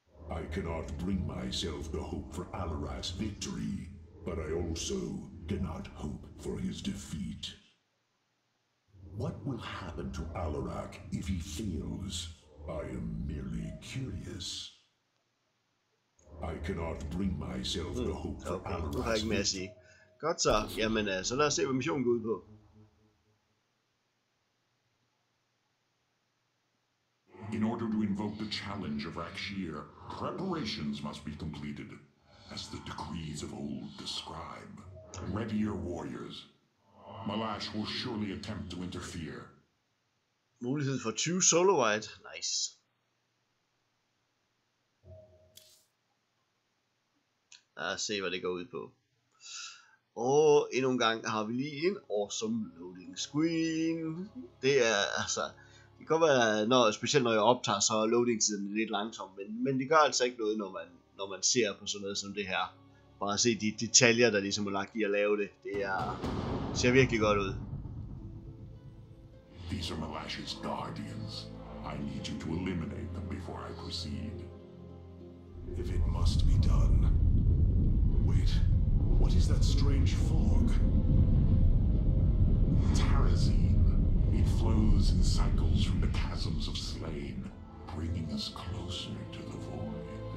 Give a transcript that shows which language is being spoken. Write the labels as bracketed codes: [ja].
[en] I cannot bring myself to hope for Alarak's victory, but I also cannot hope for his defeat. What will happen to Alarak if he fails? I am merely curious. I cannot bring myself to hope for Alarak's victory. [da] Godt så. Jamen, så lad os se, hvad missionen går ud på. [en] In order to invoke the challenge of Rakshir, preparations must be completed, as the decrees of old describe. Ready your warriors. Malash will surely attempt to interfere. [da] Mulighed for 2 solo white. Nice. Lad os se, hvad det går ud på. Og endnu en gang har vi lige en awesome loading screen. Det er altså... Det kan være, når, specielt når jeg optager, så er loading-tiden lidt langsom, men det gør altså ikke noget, når man ser på sådan noget som det her. Bare se de detaljer, der ligesom er lagt i at lave det. Det ser virkelig godt ud. [en] These are Malash's guardians. I need you to eliminate them before I proceed. If it must be done. Wait, what is that strange fog? Tarazine. It flows in cycles from the chasms of Slain, bringing us closer to the void.